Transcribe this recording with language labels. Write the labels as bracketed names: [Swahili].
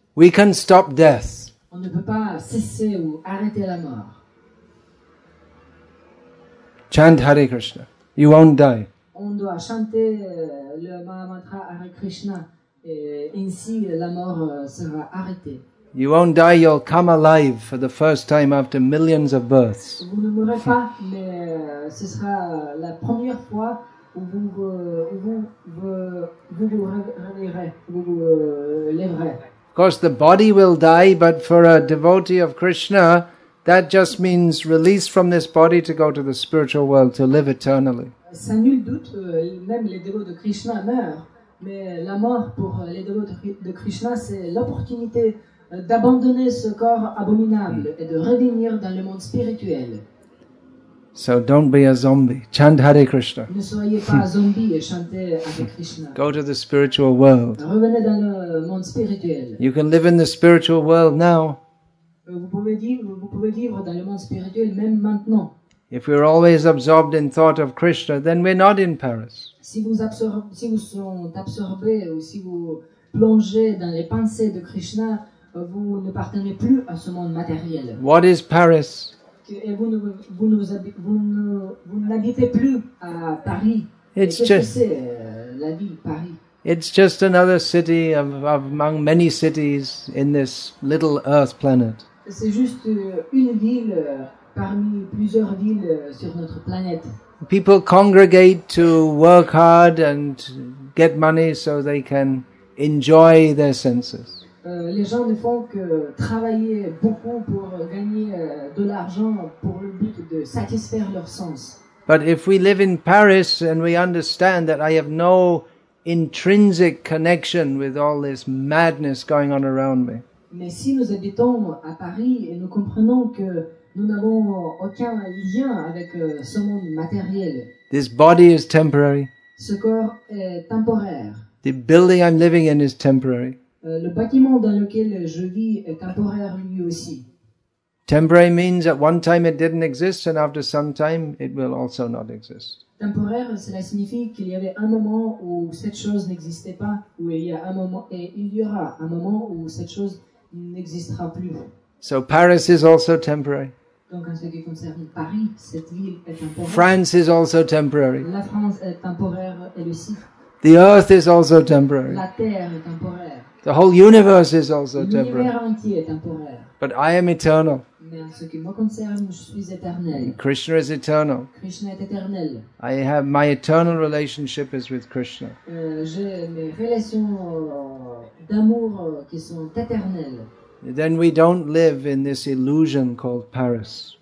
[English] We can stop death. [French] On ne peut pas cesser ou arrêter la mort. [English] Chant Hare Krishna. You won't die. [French] On doit chanter le Mahamantra Hare Krishna et ainsi la mort sera arrêtée. [English] You won't die, you'll come alive for the first time after millions of births. [French] Vous ne mourrez pas, mais ce sera la première fois où vous réveillerez, vous vous lèverez. [English] Of course, the body will die, but for a devotee of Krishna, that just means release from this body to go to the spiritual world, to live eternally. [French] Sans nul doute, même les dévots de Krishna meurent, mais la mort pour les dévots de Krishna, c'est l'opportunité d'abandonner ce corps abominable et de revenir dans le monde spirituel. [English] So don't be a zombie. Chant Hare Krishna. [French] Ne soyez pas zombie et chantez Hare Krishna. [English] Go to the spiritual world. [French] Revenez dans le monde spirituel. [English] You can live in the spiritual world now. [French] Vous pouvez vivre dans le monde spirituel même maintenant. [English] If we're always absorbed in thought of Krishna, then we're not in Paris. [French] Si vous êtes absorbés ou si vous plongez dans les pensées de Krishna, vous ne appartenez plus à ce monde matériel. [English] What is Paris? [French] Et vous n'habitez plus à Paris. [English] It's [French] la ville Paris. [English] It's just another city of among many cities in this little Earth planet. [French] C'est juste une ville parmi plusieurs villes sur notre planète. [English] People congregate to work hard and get money so they can enjoy their senses. [French] Les gens ne font que travailler beaucoup pour gagner de l'argent pour le but de satisfaire leurs sens. [English] But if we live in Paris and we understand that I have no intrinsic connection with all this madness going on around me. [French] Mais si nous habitons à Paris et nous comprenons que nous n'avons aucun lien avec ce monde matériel. [English] This body is temporary. [French] Ce corps est temporaire. [English] The building I'm living in is temporary. [French] Le bâtiment dans lequel je vis est temporaire lui aussi. [English] Temporary means at one time it didn't exist and after some time it will also not exist. [French] Temporaire, cela signifie qu'il y avait un moment où cette chose n'existait pas, où il y a un moment et il y aura un moment où cette chose n'existera plus. [English] So Paris is also temporary. [French] Donc en ce qui concerne Paris, cette ville est temporaire. [English] France is also temporary. [French] La France est temporaire elle aussi. [English] The Earth is also temporary. [French] La Terre est temporaire. [English] The whole universe is also temporary. [French] L'univers entier est temporaire. [English] But I am eternal. [French] Mais en ce qui me concerne, je suis éternel. [English] Krishna is eternal. [French] Krishna est éternel. [English] I have my eternal relationship is with Krishna. [French] J'ai mes relations d'amour qui sont éternelles. [English] Then we don't live in this illusion called Paris.